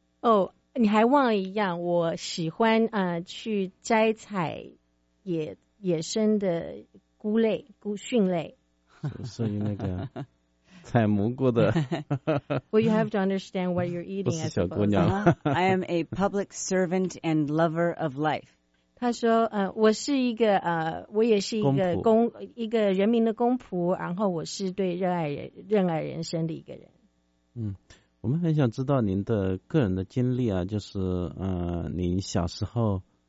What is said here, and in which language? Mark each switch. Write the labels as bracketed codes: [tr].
[zh] Oh, 你还忘了一样，我喜欢去摘采野生的菇类、菇蕈类，属于那个采蘑菇的。 [en] Well, you have to understand what you're eating. [zh] 不是小姑娘。 [en] I am a public servant and lover of life. [zh] 他说，我是一个我也是一个公一个人民的公仆，然后我是对热爱人生的一个人。嗯，我们很想知道您的个人的经历啊，就是您小时候。